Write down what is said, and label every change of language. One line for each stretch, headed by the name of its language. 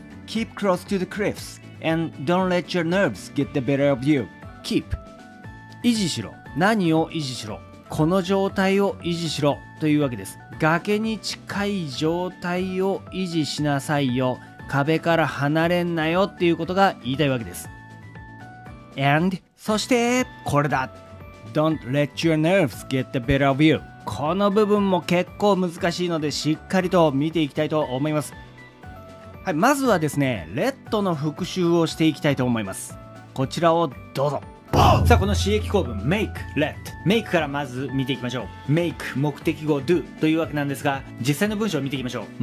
English: Keep close to the cliffs and don't let your nerves get the better of you. Keep.
Japanese: 維持しろ。何を維持しろ。この状態を維持しろというわけです。崖に近い状態を維持しなさいよ。壁から離れんなよっていうことが言いたいわけです。
English: And
Japanese: そしてこれだ。
English: Don't let your nerves get the better of you.
Japanese: この部分も結構難しいのでしっかりと見ていきたいと思います。はい、まずはですね、let の復習をしていきたいと思います。こちらをどうぞ。さあこの刺激構文 make let make からまず見ていきましょう。 make 目的語 do というわけなんですが、実際の文章を見ていきましょう。